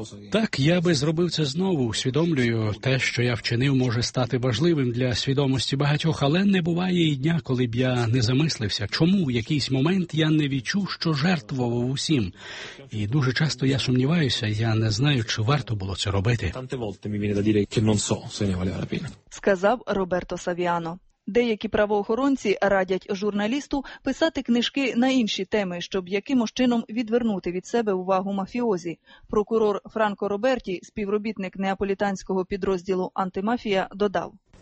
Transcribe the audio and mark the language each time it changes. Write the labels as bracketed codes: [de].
[uk] Так, я би зробив це знову. Усвідомлюю, те, що я вчинив, може стати важливим для свідомості багатьох, але не буває і дня, коли б я не замислився, чому в якийсь момент я не відчув, що жертвував усім. І дуже часто я сумніваюся, я не знаю, чи варто було це робити. [it] Tante volte mi viene da dire che non so se ne valeva la pena. [uk] Сказав Роберто Савіано. Деякі правоохоронці радять журналісту писати книжки на інші теми, щоб якимось чином відвернути від себе увагу мафіозі. Прокурор Франко Роберті, співробітник неаполітанського підрозділу «Антимафія», додав.